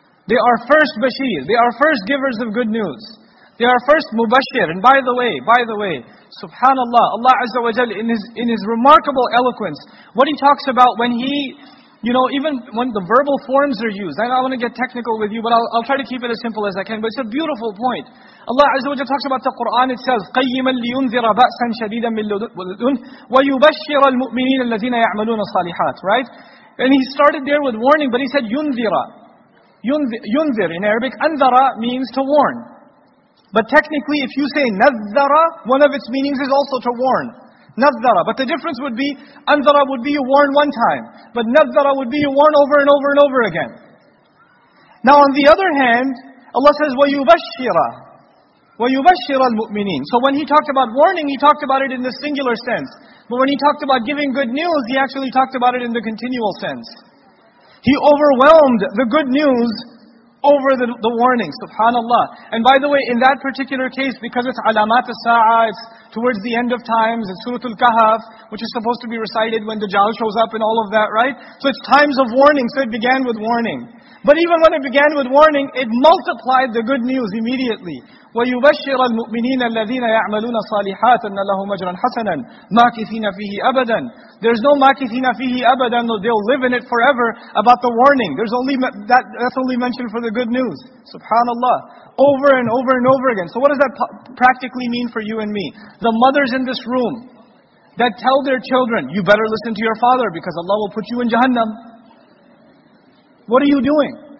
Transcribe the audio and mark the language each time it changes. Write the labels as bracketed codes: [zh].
[en] They are first Bashir. They are first givers of good news. They are first Mubashir. And by the way, SubhanAllah, Allah Azza wa Jal, in his remarkable eloquence, what he talks about when he, you know, even when the verbal forms are used, I don't want to get technical with you, but I'll try to keep it as simple as I can, but it's a beautiful point. Allah Azza wa Jalla talks about the Quran, it says, [ar] قَيِّمًا لِيُنذِرَ بَأْسًا شَدِيدًا مِنْ لُدُنْهُ وَيُبَشِّرَ الْمُؤْمِنِينَ الَّذِينَ يَعْمَلُونَ الصَّالِحَاتِ. [en] Right? And he started there with warning, but he said, يُنذِرَ. يُنذِر in Arabic, أَنذَرَ means to warn. But technically, if you say nazzara, one of its meanings is also to warn. Nazzara. But the difference would be, anzara would be you warn one time. But nazzara would be you warn over and over and over again. Now on the other hand, Allah says, [ar] وَيُبَشِّرَ وَيُبَشِّرَ الْمُؤْمِنِينَ [en] So when He talked about warning, He talked about it in the singular sense. But when He talked about giving good news, He actually talked about it in the continual sense. He overwhelmed the good news over the warning, subhanAllah. And by the way, in that particular case, because it's alamat as-sa'a, it's towards the end of times, it's Suratul Kahf, which is supposed to be recited when Dajjal shows up and all of that, right? So it's times of warning, so it began with warning. But even when it began with warning, it multiplied the good news immediately. [ar] وَيُبَشِّرَ الْمُؤْمِنِينَ الَّذِينَ يَعْمَلُونَ صَالِحَاتَ أَنَّ لَهُمْ أَجْرًا حَسَنًا مَاكِثِينَ فِيهِ أَبَدًا [en] There's no [ar] مَاكِثِينَ فِيهِ أَبَدًا [en] They'll live in it forever about the warning. There's only that's only mentioned for the good news. SubhanAllah. Over and over and over again. So what does that practically mean for you and me? The mothers in this room that tell their children, you better listen to your father because Allah will put you in Jahannam. What are you doing?